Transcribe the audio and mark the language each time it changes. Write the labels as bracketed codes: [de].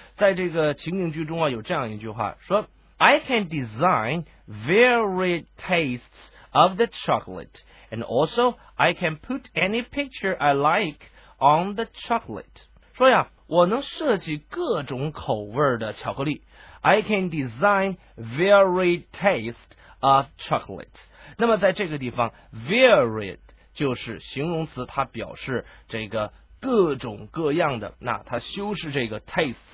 [zh] 在这个情景剧中啊，有这样一句话说。 [en] I can design varied tastes of the chocolate, and also I can put any picture I like on the chocolate. [zh] 说呀，我能设计各种口味的巧克力。 [en] I can design varied tastes of chocolate. [zh] 那么在这个地方 ，varied 就是形容词，它表示这个各种各样的，那它修饰这个 taste。